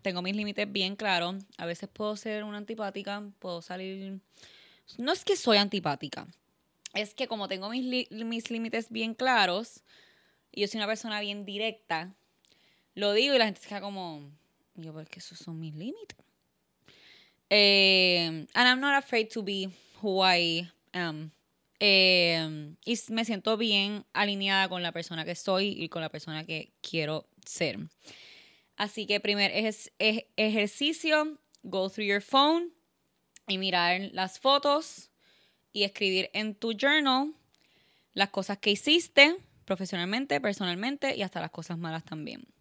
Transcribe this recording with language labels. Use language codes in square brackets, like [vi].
[es] Tengo mis límites bien claros. A veces puedo ser una antipática, puedo salir... No es que soy antipática. Es que como tengo mis límites bien claros, y yo soy una persona bien directa, lo digo y la gente se queda como... Yo, ¿por qué esos son mis límites? [en] And I'm not afraid to be who I am. [es] Y me siento bien alineada con la persona que soy y con la persona que quiero ser. Así que primer ejercicio, [en] go through your phone [es] y mirar las fotos y escribir en tu journal las cosas que hiciste profesionalmente, personalmente y hasta las cosas malas también.